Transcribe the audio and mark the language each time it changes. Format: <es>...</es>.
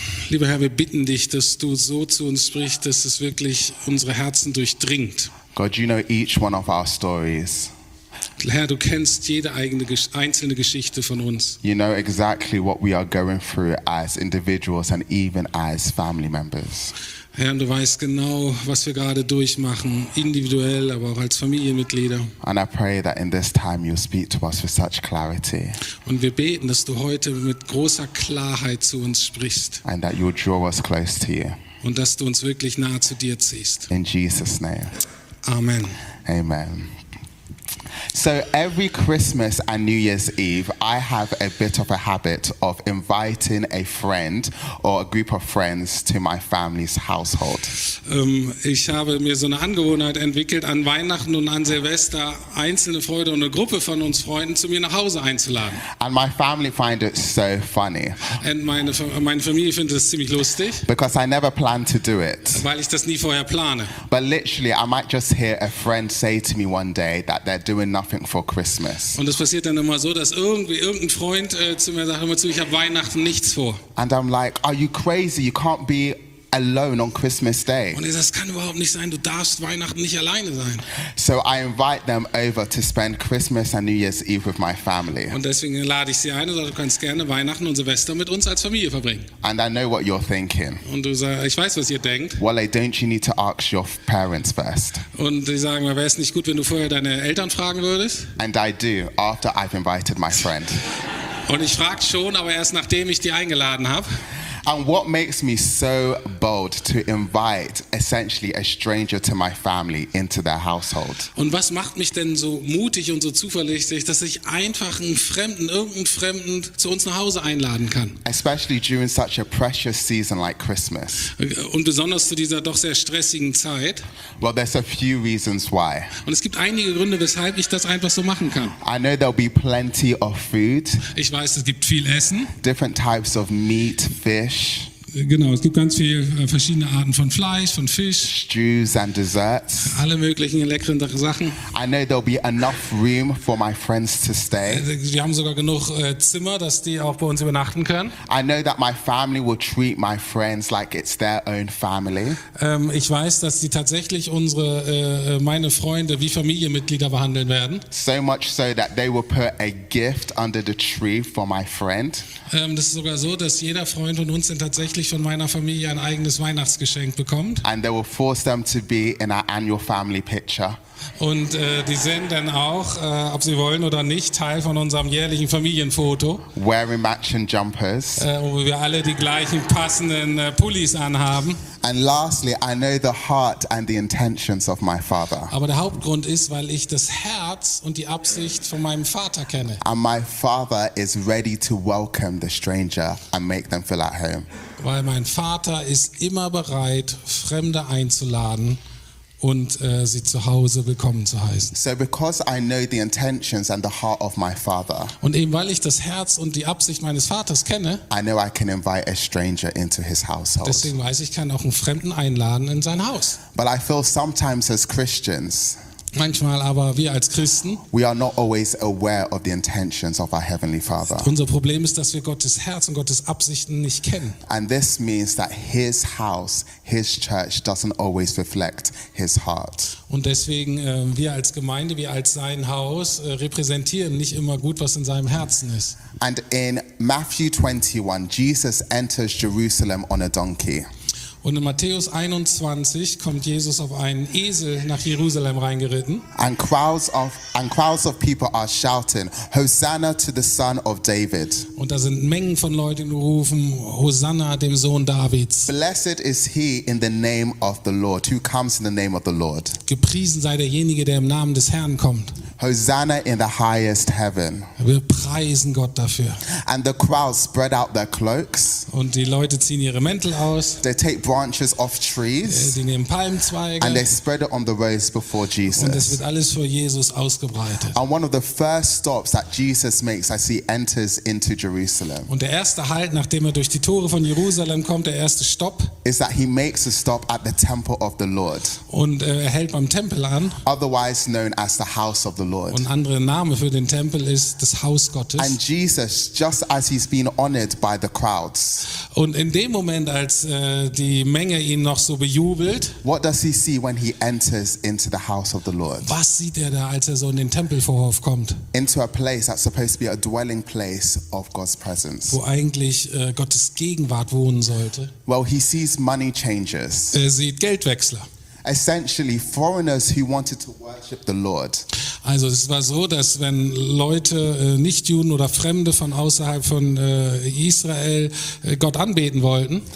<de>Lieber Herr, wir bitten dich, dass du so zu uns sprichst, dass es wirklich unsere Herzen durchdringt.</de> <en>God, you know each one of our stories.</en> <de>Herr, du kennst jede eigene einzelne Geschichte von uns.</de> <en>You know exactly what we are going through as individuals and even as family members.</en> <de>Herr, du weißt genau, was wir gerade durchmachen, individuell, aber auch als Familienmitglieder.</de> <en>And I pray that in this time you speak to us with such clarity.</en> <de>Und wir beten, dass du heute mit großer Klarheit zu uns sprichst.</de> <en>And that you draw us close to you.</en> <de>Und dass du uns wirklich nahe zu dir ziehst.</de> <en>In Jesus' name. Amen.</en> <de>Amen.</de> <en>So every Christmas and New Year's Eve, I have a bit of a habit of inviting a friend or a group of friends to my family's household.</en> <de>Ich habe mir so eine Angewohnheit entwickelt, an Weihnachten und an Silvester einzelne Freunde und eine Gruppe von uns Freunden zu mir nach Hause einzuladen.</de> <en>And my family find it so funny.</en> <de>Und meine Familie findet es ziemlich lustig.</de> <en>Because I never plan to do it.</en> <de>Weil ich das nie vorher plane.</de> <en>But literally, I might just hear a friend say to me one day that they're doing nothing for Christmas.</en> <de>Und es passiert dann immer so, dass irgendein Freund zu mir sagt immer zu, ich habe Weihnachten nichts vor.</de> <en>And I'm like, are you crazy? You can't be alone on Christmas Day.</en> <de>Und das kann überhaupt nicht sein. Du darfst Weihnachten nicht alleine sein.</de> <en>So I invite them over to spend Christmas and New Year's Eve with my family.</en> <de>Und deswegen lade ich sie ein und sage, du kannst gerne Weihnachten und Silvester mit uns als Familie verbringen.</de> <en>And I know what you're thinking.</en> <de>Und du sagst, ich weiß, was ihr denkt.</de> <en>Well, don't you need to ask your parents first?</en> <de>Und die sagen, wäre es nicht gut, wenn du vorher deine Eltern fragen würdest?</de> <en>And I do, after I've invited my friend.</en> <de>Und ich frage schon, aber erst nachdem ich die eingeladen habe.</de> <en>And what makes me so bold to invite essentially a stranger to my family into their household?</en> <de>Und was macht mich denn so mutig und so zuversichtlich, dass ich einfach irgendeinen Fremden zu uns nach Hause einladen kann?</de> <en>Especially during such a precious season like Christmas.</en> <de>Und besonders zu dieser doch sehr stressigen Zeit.</de> <en>Well, there's a few reasons why.</en> <de>Und es gibt einige Gründe, weshalb ich das einfach so machen kann.</de> <en>I know there'll be plenty of food.</en> <de>Ich weiß, es gibt viel Essen.</de> <en>Different types of meat, fish.</en> <de>Genau, es gibt ganz viele verschiedene Arten von Fleisch, von Fisch.</de> <en>Stews and desserts.</en> <de>Alle möglichen leckeren Sachen.</de> <en>I know there'll be enough room for my friends to stay.</en> <de>Wir haben sogar genug Zimmer, dass die auch bei uns übernachten können.</de> <en>I know that my family will treat my friends like it's their own family.</en> <de>Ich weiß, dass sie tatsächlich meine Freunde wie Familienmitglieder behandeln werden.</de> <en>So much so that they will put a gift under the tree for my friend.</en> <de>Das ist sogar so, dass jeder Freund von uns tatsächlich von meiner Familie ein eigenes Weihnachtsgeschenk bekommt.</de> <en>And they will force them to be in our annual family picture.</en> <de>Und die sind dann auch, ob sie wollen oder nicht, Teil von unserem jährlichen Familienfoto.</de> <en>Wearing matching jumpers.</en> <de>Wo wir alle die gleichen passenden Pullis anhaben.</de> <en>And lastly, I know the heart and the intentions of my father.</en> <de>Aber der Hauptgrund ist, weil ich das Herz und die Absicht von meinem Vater kenne.</de> <en>And my father is ready to welcome the stranger and make them feel at home.</en> <de>Weil mein Vater ist immer bereit, Fremde einzuladen und sie zu Hause willkommen zu heißen.</de> <en>So because I know the intentions and the heart of my father.</en> <de>Und eben weil ich das Herz und die Absicht meines Vaters kenne.</de> <en>I know I can invite a stranger into his household.</en> <de>Deswegen weiß ich, kann auch einen Fremden einladen in sein Haus.</de> <en>But I feel sometimes as Christians.</en> <de>Manchmal aber wir als Christen.</de> <en>We are not always aware of the intentions of our heavenly father.</en> <de>Unser Problem ist, dass wir Gottes Herz und Gottes Absichten nicht kennen.</de> <en>And this means that his house, his church doesn't always reflect his heart.</en> <de>Und deswegen wir als Gemeinde, wir als sein Haus repräsentieren nicht immer gut, was in seinem Herzen ist.</de> <en>And in Matthew 21 Jesus enters Jerusalem on a donkey.</en> <de>Und in Matthäus 21 kommt Jesus auf einen Esel nach Jerusalem reingeritten.</de> <en>And crowds of people are shouting, Hosanna to the Son of David.</en> <de>Und da sind Mengen von Leuten, die rufen, Hosanna dem Sohn Davids.</de> <en>Blessed is he in the name of the Lord, who comes in the name of the Lord.</en> <de>Gepriesen sei derjenige, der im Namen des Herrn kommt.</de> <en>Hosanna in the highest heaven.</en> <de>Wir preisen Gott dafür.</de> <en>And the crowd spread out their cloaks.</en> <de>Und die Leute ziehen ihre Mäntel aus.</de> <en>They take branches off trees.</en> <de>Sie nehmen Palmzweige.</de> <en>And they spread it on the roads before Jesus.</en> <de>Und es wird alles vor Jesus ausgebreitet.</de> <en>And one of the first stops that Jesus makes as he enters into Jerusalem.</en> <de>Und der erste Halt, nachdem er durch die Tore von Jerusalem kommt, der erste Stopp.</de> <en>Is that he makes a stop at the temple of the Lord.</en> <de>Und er hält beim Tempel an.</de> <en>Otherwise known as the house of the Lord.</en> <de>Und andere Name für den Tempel ist das Haus Gottes.</de> <en>And Jesus, just as he's been honored by the crowds.</en> <de>Und in dem Moment, als die Menge ihn noch so bejubelt.</de> <en>What does he see when he enters into the house of the Lord?</en> <de>Was sieht er da, als er so in den Tempelvorhof kommt?</de> <en>Into a place that's supposed to be a dwelling place of God's presence.</en> <de>Wo eigentlich Gottes Gegenwart wohnen sollte.</de> <en>Well, he sees money changers.</en> <de>Er sieht Geldwechsler.</de> <en>Essentially, foreigners who wanted to worship the Lord.</en> <de>Also, es war so, dass wenn Leute, Nichtjuden oder Fremde von außerhalb von Israel Gott anbeten wollten.</de>